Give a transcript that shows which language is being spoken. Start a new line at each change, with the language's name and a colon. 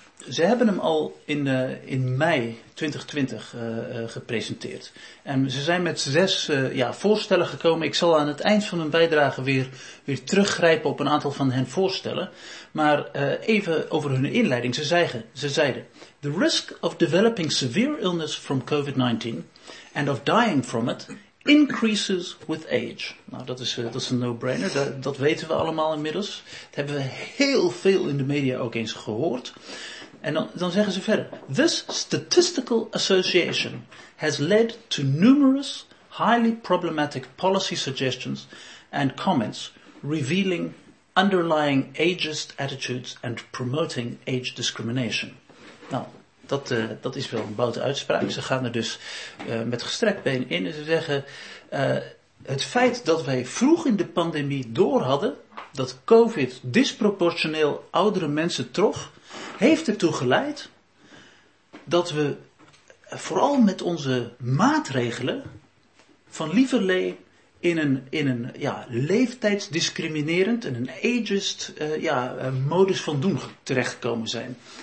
Dutch: Ze hebben hem al in mei 2020 gepresenteerd. En ze zijn met zes voorstellen gekomen. Ik zal aan het eind van mijn bijdrage weer teruggrijpen op een aantal van hen voorstellen. Maar even over hun inleiding. Ze zeiden...
English: The risk of developing severe illness from COVID-19 and of dying from it increases with age.
Dutch: Nou, dat is een no-brainer. Dat weten we allemaal inmiddels. Dat hebben we heel veel in de media ook eens gehoord. En dan zeggen ze verder.
English: This statistical association has led to numerous highly problematic policy suggestions and comments revealing underlying ageist attitudes and promoting age discrimination.
Dutch: Nou, dat is wel een boute uitspraak. Ze gaan er dus met gestrekt been in en ze zeggen. Het feit dat wij vroeg in de pandemie doorhadden dat COVID disproportioneel oudere mensen trof, heeft ertoe geleid dat we vooral met onze maatregelen van lieverlee in een leeftijdsdiscriminerend en een ageist modus van doen terechtgekomen zijn.